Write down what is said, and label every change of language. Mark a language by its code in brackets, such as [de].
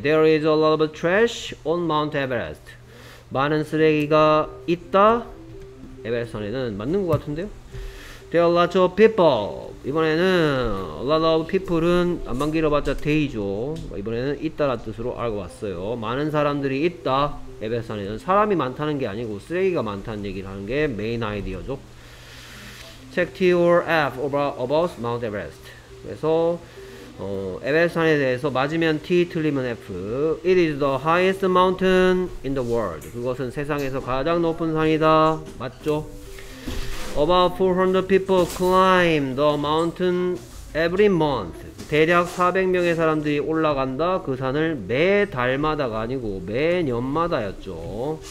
[en] There is a lot of trash on Mount Everest. [ko] 많은 쓰레기가 있다? 에베레스트산에는 맞는 것 같은데요? [en] There are lots of people. [ko] 이번에는 [en] a lot of people은 [ko] 안만 길어봤자 [en] day죠. [ko] 이번에는 있다라는 뜻으로 알고 왔어요. 많은 사람들이 있다. 에베레스트산에는 사람이 많다는 게 아니고 쓰레기가 많다는 얘기를 하는 게 메인 아이디어죠. [en] Check T or F about Mount Everest. [ko] 그래서 에베레스트산에 대해서 맞으면 T, 틀리면 F. [en] It is the highest mountain in the world. [ko] 그것은 세상에서 가장 높은 산이다. 맞죠? [en] About 400 people climb the mountain every month. [ko] 대략 400명의 사람들이 올라간다. 그 산을 매 달마다가 아니고 매 년마다였죠.